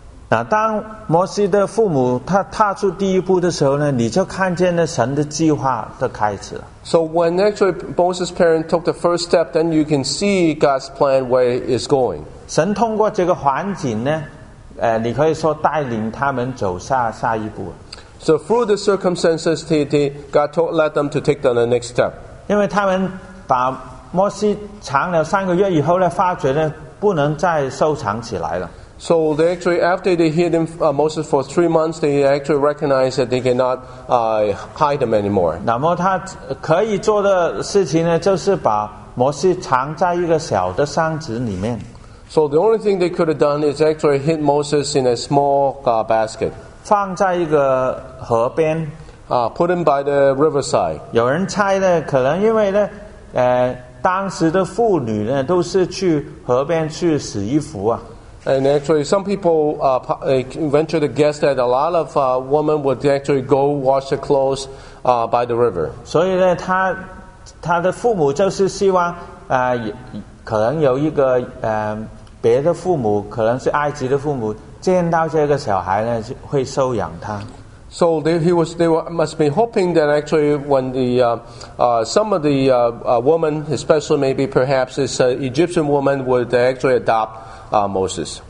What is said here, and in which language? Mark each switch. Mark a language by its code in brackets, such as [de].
[zh] 那当摩西的父母他踏出第一步的时候呢，你就看见了神的计划的开始了。 [en] So when actually Moses' parents took the first step, then you can see God's plan where it's going. [zh] 神通过这个环境呢，你可以说带领他们走下一步。 [en] So through the circumstances, God led them to take the next step. [zh] 因为他们把摩西藏了三个月以后呢，发觉呢不能再收藏起来了。 [en] So they actually, after they hid him, Moses for 3 months, they actually recognized that they cannot hide him anymore. [zh] 那么他可以做的事情呢，就是把摩西藏在一个小的箱子里面。 [en] So the only thing they could have done is actually hid Moses in a small basket. [zh] 放在一个河边。 [en] Put him by the riverside. [zh] 有人猜呢，可能因为呢，当时的妇女呢都是去河边去洗衣服啊。 [en] And actually, some people venture to guess that a lot of women would actually go wash their clothes by the river. [zh] 所以呢，他的父母就是希望可能有一个别的父母，可能是埃及的父母，见到这个小孩呢，会收养他。 [en] So they must be hoping that actually when the some of the women, especially maybe perhaps this Egyptian woman, would actually adopt Moses.